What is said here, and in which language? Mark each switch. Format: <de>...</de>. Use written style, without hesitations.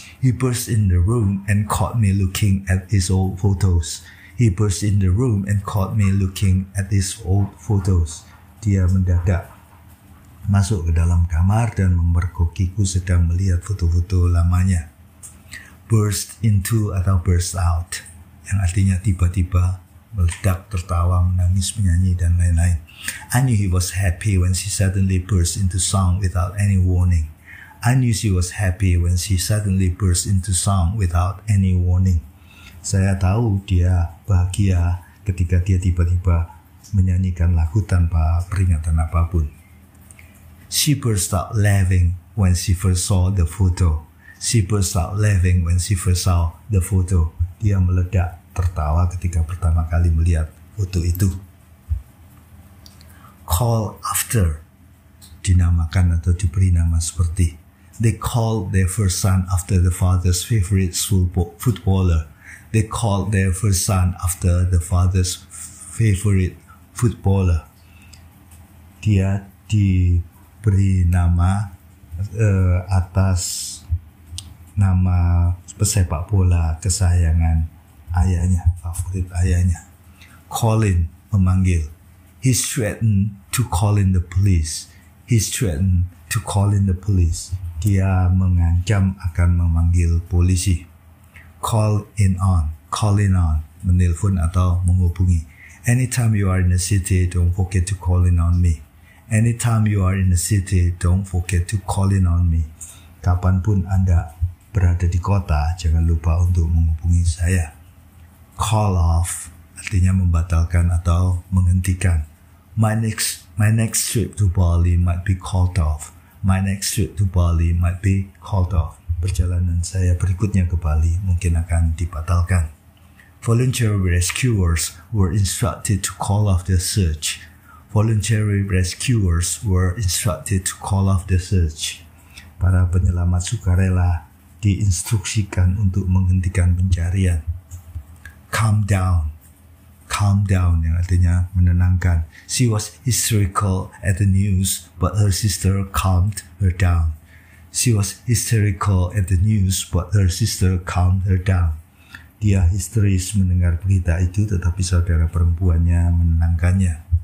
<en>He burst in the room and caught me looking at his old photos. He burst in the room and caught me looking at his old photos.</en> <id>Dia mendadak masuk ke dalam kamar dan memergokiku sedang melihat foto-foto lamanya. Burst into atau burst out, yang artinya tiba-tiba. Meledak, tertawa, menangis, menyanyi, dan lain-lain.</id> <en>I knew he was happy when she suddenly burst into song without any warning. I knew she was happy when she suddenly burst into song without any warning.</en> <id>Saya tahu dia bahagia ketika dia tiba-tiba menyanyikan lagu tanpa peringatan apapun.</id> <en>She burst out laughing when she first saw the photo. She burst out laughing when she first saw the photo.</en> <id>Dia meledak. Tertawa ketika pertama kali melihat foto itu. Call after, dinamakan atau diberi nama seperti.</id> <en>They called their first son after the father's favorite footballer. They called their first son after the father's favorite footballer.</en> <id>Dia diberi nama atas nama pesepak bola kesayangan ayahnya, favorit ayahnya.</id> <en>Colin,</en> <id>memanggil.</id> <en>He threatened to call in the police. He threatened to call in the police.</en> <id>Dia mengancam akan memanggil polisi. calling on, menelpon atau menghubungi.</id> <en>Anytime you are in the city, don't forget to call in on me. Anytime you are in the city, don't forget to call in on me.</en> <id>Kapanpun Anda berada di kota, jangan lupa untuk menghubungi saya. Call off, artinya membatalkan atau menghentikan.</id> <en>My next trip to Bali might be called off. My next trip to Bali might be called off.</en> <id>Perjalanan saya berikutnya ke Bali mungkin akan dibatalkan.</id> <en>Voluntary rescuers were instructed to call off their search. Voluntary rescuers were instructed to call off their search.</en> <id>Para penyelamat sukarela diinstruksikan untuk menghentikan pencarian. Calm down, yang artinya menenangkan.</id> <en>She was hysterical at the news, but her sister calmed her down. She was hysterical at the news, but her sister calmed her down.</en> <id>Dia histeris mendengar berita itu, tetapi saudara perempuannya menenangkannya.</id>